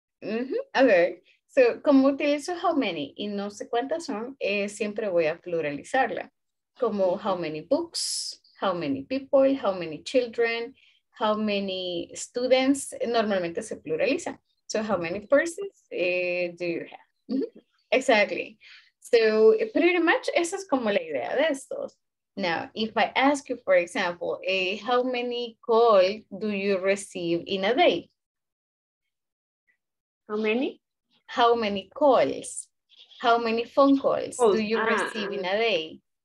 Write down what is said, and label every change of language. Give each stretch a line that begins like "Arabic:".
Spanish: Mm-hmm. Okay. So como utilizo how many y no sé cuántas son, siempre voy a pluralizarla. Como mm-hmm.
English: how many books, how many people, how many children, how many students,
Spanish: normalmente se pluraliza.
English: So how many purses do you have? Mm-hmm. Exactly. So pretty much,
Spanish: esa es como la idea de estos.
English: Now, if I ask you, for example, how many calls do you receive in a day? How many? How many calls? How many phone calls do you receive in a day?